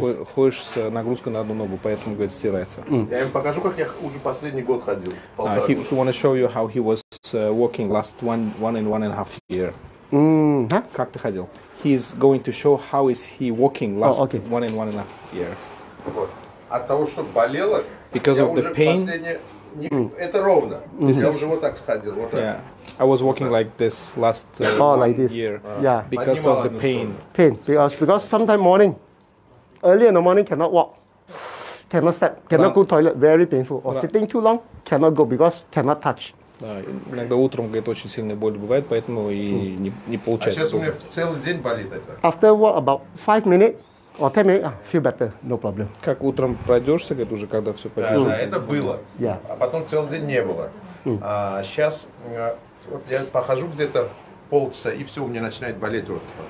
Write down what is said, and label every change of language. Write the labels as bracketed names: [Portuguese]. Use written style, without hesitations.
[Russian] Потому что ты, видимо, ходишь с нагрузкой на одну ногу, поэтому, говорит, стирается. Mm. Я им покажу, как я уже последний год ходил. [English] He want to show you how he was walking last one and a half year. [Russian] Как ты ходил? [English] He is going to show how is he walking last one and one and a half year. [Russian] От того, что болело, [English] because of the pain, [Russian] это ровно. Я уже вот так сходил. [English] I was walking like this last year. Yeah. Because of the pain. Pain. Because sometime morning, early in the morning, cannot walk, cannot step, cannot go toilet, very painful. Or sitting too long, cannot go because cannot touch. [Russian] Да, иногда утром, говорит, очень сильная боль бывает, поэтому и не получается. А сейчас у меня целый день болит это. [English] After what, about 5 minutes or 10 minutes, feel better, no problem. [Russian] Как утром пройдешься, говорит, уже когда все пойдет. Да, это было. [English] Yeah. [Russian] А потом целый день не было. А сейчас вот я похожу где-то полчаса, и все, у меня начинает болеть вот.